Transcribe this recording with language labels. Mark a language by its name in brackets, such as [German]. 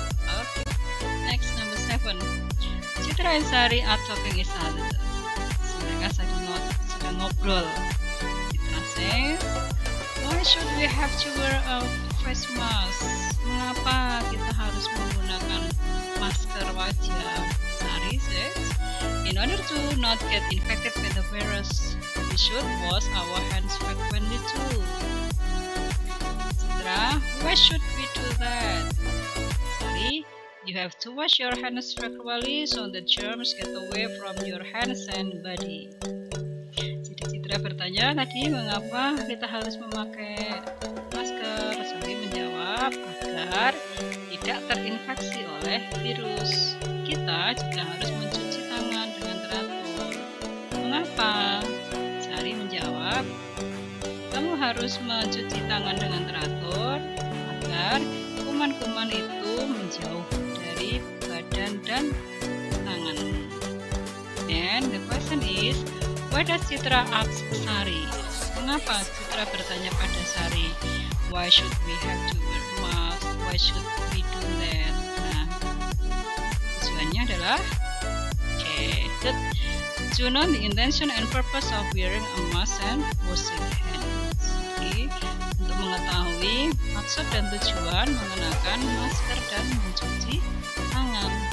[English] Okay. Next, number 7. Citra and Sari are talking each other. [Indonesian] Mereka sedang ngobrol. [English] Citra says, "Why should we have to wear a face mask?" [Indonesian] Mengapa kita harus menggunakan masker wajah? [English] Sari says, "In order to not get infected with the virus, we should wash our hands frequently too." Citra, "Why should we do that?" Sari, "You have to wash your hands frequently so the germs get away from your hands and body." [Indonesian] Jadi Citra bertanya tadi, mengapa kita harus memakai masker? Sari menjawab, agar tidak terinfeksi oleh virus. Kita juga harus mencuci tangan dengan teratur. Mengapa? Sari menjawab, "Kamu harus mencuci tangan dengan teratur agar kuman-kuman itu menjauh dari badan dan tangan." [English] Then the question is, why does Citra ask Sari? [Indonesian] Mengapa Citra bertanya pada Sari, [English] "Why should we have to wear mask? Why should we do that?" [Indonesian] Nah, tujuannya adalah, [English] okay, to know the intention and purpose of wearing a mask and washing hands. [Indonesian] Jadi, untuk mengetahui maksud dan tujuan mengenakan masker dan mencuci tangan.